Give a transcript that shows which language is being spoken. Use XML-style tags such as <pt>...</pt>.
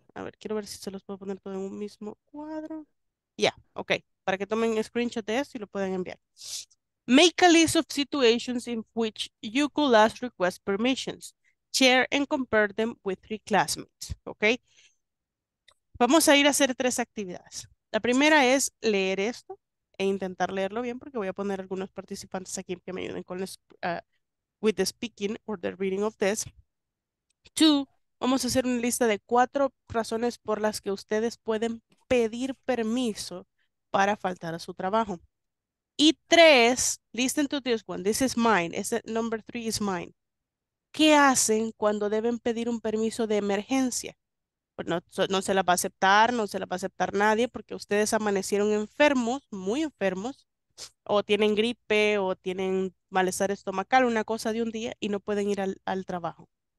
<es>A ver, quiero ver si se los puedo poner todo en un mismo cuadro. Yeah, okay, para que tomen screenshot de esto y lo puedan enviar.</es> <en>Make a list of situations in which you could ask request permissions. Share and compare them with 3 classmates, okay?</en> <es>Vamos a ir a hacer 3 actividades. La primera es leer esto e intentar leerlo bien porque voy a poner algunos participantes aquí que me ayuden con</es> <en>with the speaking or the reading of this.</en> <es>2, vamos a hacer una lista de 4 razones por las que ustedes pueden pedir permiso para faltar a su trabajo.</es> <en>Y 3, listen to this one, this is mine, este number 3 is mine.</en> <es>¿Qué hacen cuando deben pedir un permiso de emergencia? No se la va a aceptar, no se la va a aceptar nadie porque ustedes amanecieron enfermos, muy enfermos, o tienen gripe, o tienen malestar estomacal, una cosa de un día, y no pueden ir al trabajo.</es>